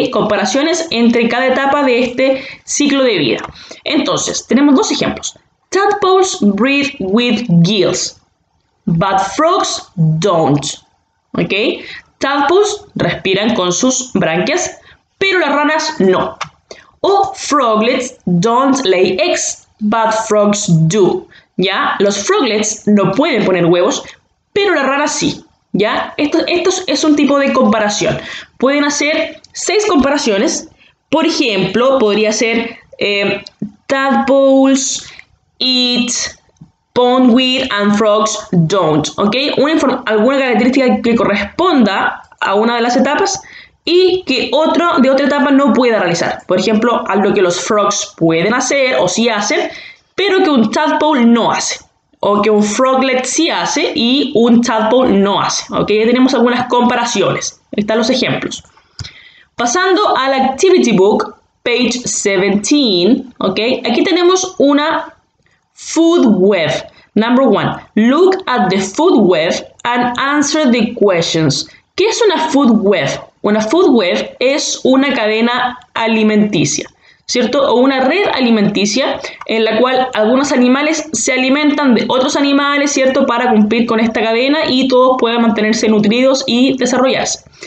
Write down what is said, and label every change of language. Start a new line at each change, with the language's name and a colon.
Spanish: Comparaciones entre cada etapa de este ciclo de vida. Entonces, tenemos dos ejemplos.
English: Tadpoles breathe with gills, but frogs don't, ¿ok?
Spanish: Tadpoles respiran con sus branquias, pero las ranas no.
English: O froglets don't lay eggs, but frogs do.
Spanish: ¿Ya? Los froglets no pueden poner huevos, pero las ranas sí. ¿Ya? Esto es un tipo de comparación. Pueden hacer 6 comparaciones. Por ejemplo, podría ser
English: tadpoles eat pondweed and frogs don't. ¿Ok?
Spanish: Alguna característica que corresponda a una de las etapas y que otro de otra etapa no pueda realizar. Por ejemplo, algo que los frogs pueden hacer o sí hacen, pero que un tadpole no hace. O que un froglet sí hace y un tadpole no hace. ¿Ok? Ya tenemos algunas comparaciones. Ahí están los ejemplos. Pasando al
English: activity book, page 17,
Spanish: ¿ok? Aquí tenemos una food web.
English: Number one, look at the food web and answer the questions.
Spanish: ¿Qué es una food web? Una food web es una cadena alimenticia, ¿cierto? O una red alimenticia en la cual algunos animales se alimentan de otros animales, ¿cierto? Para cumplir con esta cadena y todos puedan mantenerse nutridos y desarrollarse.